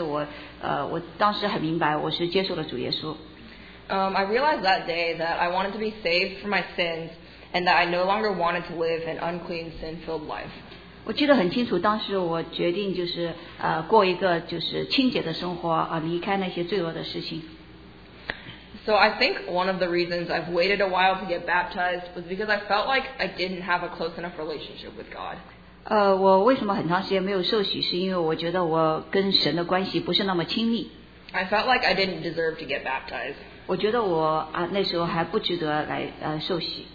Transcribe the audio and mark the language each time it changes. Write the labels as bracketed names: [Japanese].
[Chinese] 我当时在上主日学，然后我不记得当时是教的什么，但是我当时很明白，我是接受了主耶稣。 [English] I realized that day that I wanted to be saved from my sins, and that I no longer wanted to live an unclean, sin-filled life. [Chinese] 我记得很清楚，当时我决定就是过一个就是清洁的生活，离开那些罪恶的事情。 [English] So I think one of the reasons I've waited a while to get baptized was because I felt like I didn't have a close enough relationship with God. [Chinese] 我为什么很长时间没有受洗，是因为我觉得我跟神的关系不是那么亲密。 [English] I felt like I didn't deserve to get baptized. [Chinese] 我觉得我那时候还不值得来受洗。